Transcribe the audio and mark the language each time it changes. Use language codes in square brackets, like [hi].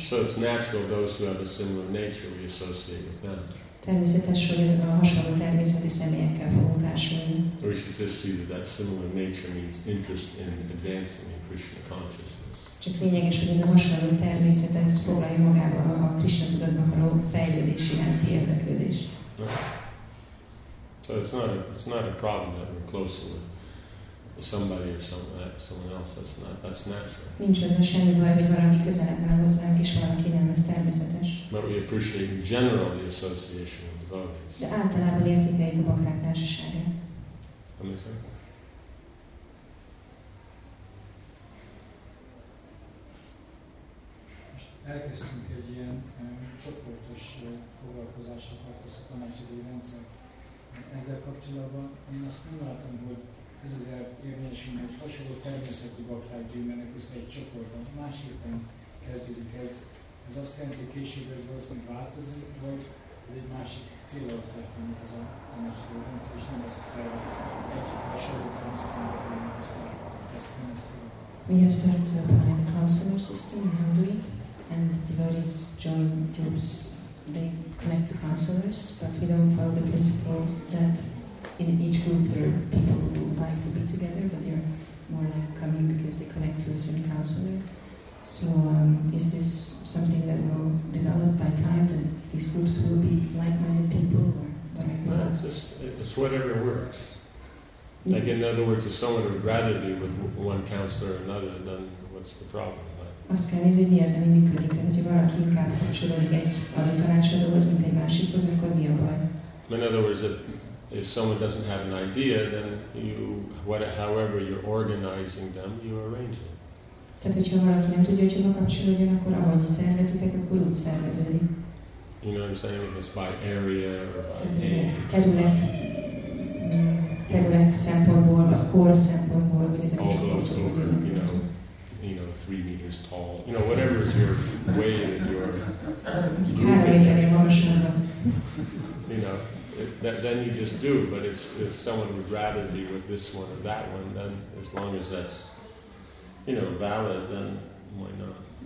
[en] So it's natural those who have a similar nature we associate with them. [hu] Természetes, hogy ezek a hasonló természetű személyekkel fogunk társulni. [en] We should just see that that similar nature means interest in advancing in Krishna consciousness. [hu] Csak lényeges, hogy ez a hasonló természet, ez foglalja magába a Krishna tudatban való fejlődés iránti érdeklődés. [en] So it's not a problem that we're closer with somebody or someone else. That's natural. [hu] Nincs az a semmi baj, hogy valami közelebb áll hozzánk, és valaki nem, ez természetes. [en] But we appreciate in general the association of devotees. [hu] De általában értékeljük a bakták társaságát. Elkezdtünk egy ilyen csoportos foglalkozásokat, azt a tanácsadói rendszer. Ezzel kapcsolatban én azt nem látom, hogy ez az érvényesül, hogy hasonló természeti bakták gyűjtenek össze egy csoportban. Másképpen kezdődik ez. Ez azt jelenti, hogy később ez valószínűleg változik, vagy ez egy másik célra történik az a tanácsadói rendszer, és nem azt felvetődik, hogy egy hasonló természeti bakták össze ezt nem ezt fogadni. [en] We have started to apply the counselor system in Hungary. And the devotees join teams, they connect to counselors, but we don't follow the principles that in each group there are people who like to be together, but they're more like coming because they connect to a certain counselor. So is this something that will develop by time, that these groups will be like-minded people, or what are your thoughts? It's whatever works. Yeah. Like in other words, if someone would rather be with one counselor or another, then what's the problem? [hu] Azt kell nézni, hogy mi az, ami működik. Tehát, hogyha valaki inkább kapcsolódik egy adott tanácsadóhoz, mint egy másikhoz, akkor mi a baj? [en] In other words, if someone doesn't have an idea, then you, however you're organizing them, you arrange it. [hu] Tehát, hogyha valaki nem tudja, hogy hova kapcsolódjon, akkor ahogy szervezitek, akkor úgy szervezedik. [en] You know what I'm saying? It's by area or by name. [hu] Terület szempontból, vagy kor szempontból, vagy ezek a csoportok. [en] You know, 3 meters tall. You know, whatever is your way that you're grouping it. You know, then you just do. But if someone would rather be with this one or that one, then as long as that's, you know, valid, then why not?